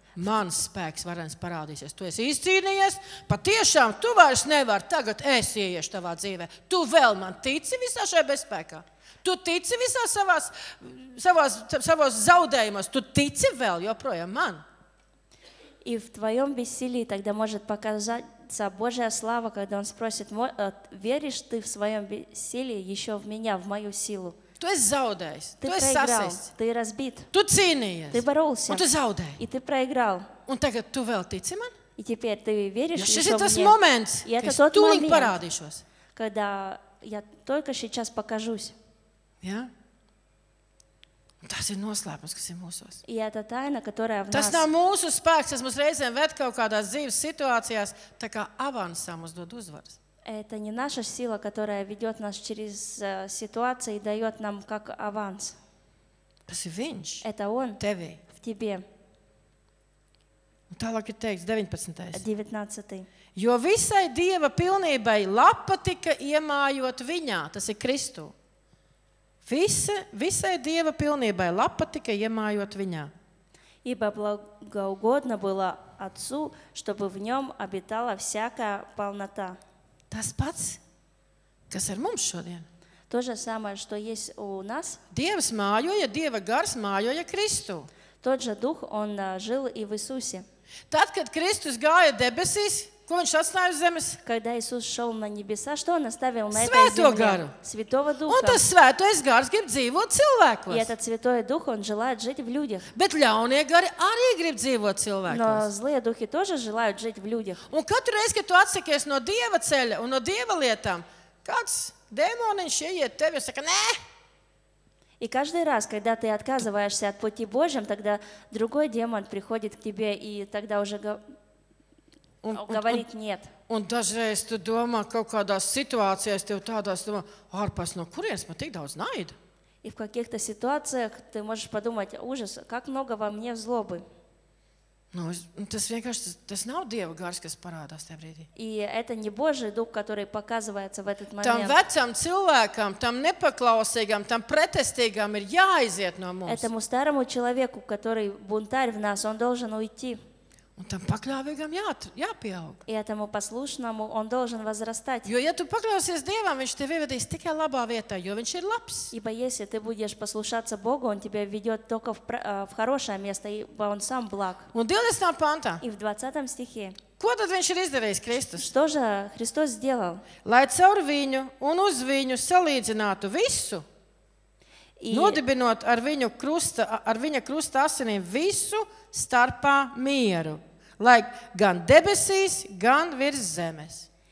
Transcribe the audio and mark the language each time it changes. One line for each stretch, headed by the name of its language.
Latvian: Mans spēks varens parādīsies. Tu esi izcīnījies, patiešām tu vairs nevar, tagad es ieiešu tavā dzīvē. Tu vēl man tici visā šajā bezspēkā. Tu tici visā savās zaudējumos. Tu tici vēl joprojām man.
Russian: И в твоём бессилии тогда может показаться Божия слава, когда он спросит, веришь ты в своём бессилии ещё в меня, в мою силу?
Latvian: Tu esi zaudējis,
Russian: ты
Latvian: tu esi sasists.
Russian: Ты разбит.
Latvian: Tu cīnījies.
Russian: Ты боролся.
Latvian: Un tu zaudēji.
Russian: И ты проиграл.
Latvian: Un tagad tu vēl tici man?
Russian: И теперь ты веришь ещё мне?
Latvian: Šis ir tas moments, kad es tūlīt parādīšos.
Russian: Когда я только сейчас покажусь.
Latvian: Ja? Tas ir noslēpums, kas ir mūsos.
Russian: И это тайна, которая в нас.
Latvian: Tas nav mūsu spēks, tas mums reizēm ved kaut kādās dzīves situācijās, tā kā avansam mums dod uzvaras.
Russian: Это не наша сила, которая ведет нас через ситуацию и дает нам как аванс.
Latvian: Tas ir viņš.
Russian: Это он.
Latvian: Tevi.
Russian: В тебе.
Latvian: Un tālāk ir teikts 19. 19. Jo visai Dieva pilnībai lapa tika iemājot viņā. Tas ir Kristu. Visai Dieva pilnībai lapa tika iemājot viņā.
Russian: Ибо благоугодно было Отцу, чтобы в нем обитала всякая полнота.
Latvian: Tas pats, kas ar mums šodien.
Russian: To же самое, что есть у нас.
Latvian: Dievs mājoja, Dieva gars mājoja Kristu.
Russian: Тот же дух он жил и в Иисусе.
Latvian: Tad, kad Kristus gāja debesīs, ko viņš atstāja uz zemes?
Russian: Когда Иисус шёл на небеса, что он оставил на этой земле? Святого гара. Святого духа. Он тот святой гарс, который живёт в человеках. И этот святой дух, он желает жить в людях.
Latvian: Bet ļaunie gari arī grib dzīvot cilvēkos.
Russian: Но злые духи тоже желают жить в людях.
Latvian: Un katru reizi, kad tu atsakies no Dieva ceļa un no Dieva lietām, kāds dēmoniņš ieiet tevi un saka, nē!
Russian: И каждый раз, когда ты отказываешься от пути Божьего, тогда другой демон приходит к тебе и тогда уже говорит нет.
Latvian: Un dažreiz tu domā kaut kādās situācijās, tev tādās domā, ārpas, no kurienes man tik daudz naida?
Russian: И в каких-то ситуациях ты можешь подумать, ужас, как много во мне злобы.
Latvian: Nu, tas vienkārši, tas nav Dieva gars, kas parādās tajā brīdī.
Russian: И это не Божий дух, который показывается в этот момент.
Latvian: Tam vecam cilvēkam, tam nepaklausīgam, tam pretestīgam ir jāiziet no mums.
Russian: Этому старому человеку, который бунтарь в нас, он должен уйти.
Latvian: Un tam pakļāvīgam jāpieaug.
Russian: И этому послушному он должен возрастать.
Latvian: Jo, ja tu paklausies Dievam, viņš tevi ievedīs tikai labā vietā, jo viņš ir labs.
Russian: Ибо если ты будешь послушаться Богу, он тебя ведёт только в хорошее место, ибо он сам благ.
Latvian: Un 20. Pantā.
Russian: И в 20. Стихе.
Latvian: Ko tad viņš ir izdarījis, Kristus?
Russian: Что же Христос сделал?
Latvian: Lai caur viņu un uz viņu salīdzinātu visu, nodibinot ar viņu krusta, ar viņa krusta asinīm visu starpā mieru, lai gan debesīs, gan virs zemes.